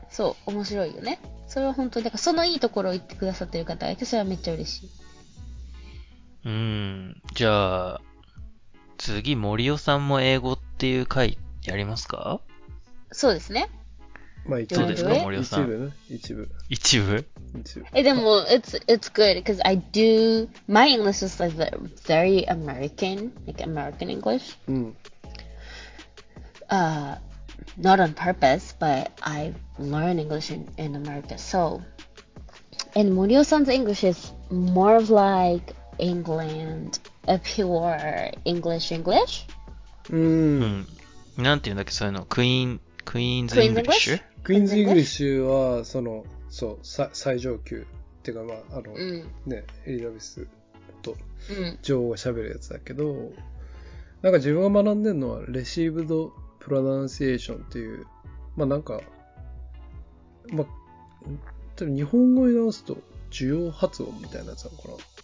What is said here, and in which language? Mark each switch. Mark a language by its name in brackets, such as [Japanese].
[Japanese] そう、面白いよね。それは本当に、だからそのいいところを言ってくださってる方がいて、それはめっちゃ嬉しい。うん、じゃあ次、森尾さんも英語っていう回やりますか？そうですね。まあ一部、そうですか、森尾さん。一部。え、でも、 [English] it's good, because I do, my English is like very American, like American English. うん。 Not on purpose, but I learn English in America, so. And 森尾さんの English is more of like England. A pure English English? [Japanese] なんて言うんだっけ、そういうの。 [English] Queen's English? [Japanese] Queen's English は、その、そう、最上級。っていうか、まあ、あの、ね、エリザベスと女王が喋るやつだけど、なんか自分が学んでるのは、Received Pronunciation っていう、まあ、なんか、まあ、日本語に直すと、受容発音みたいなやつなのかな。